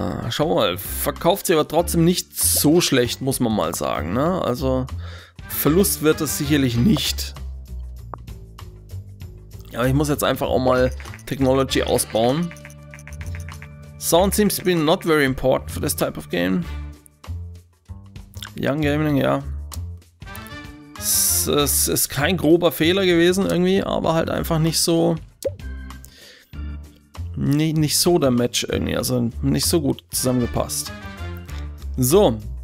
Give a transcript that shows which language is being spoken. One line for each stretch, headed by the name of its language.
German: Schau mal, verkauft sich aber trotzdem nicht so schlecht, muss man mal sagen. Ne? Also, Verlust wird es sicherlich nicht. Ja, ich muss jetzt einfach auch mal Technology ausbauen.
English: Sound seems to be not very important for this type of game.
German: Young Gaming, ja. Es ist kein grober Fehler gewesen irgendwie, aber halt einfach nicht so... Nicht so der Match irgendwie, also nicht so gut zusammengepasst. So.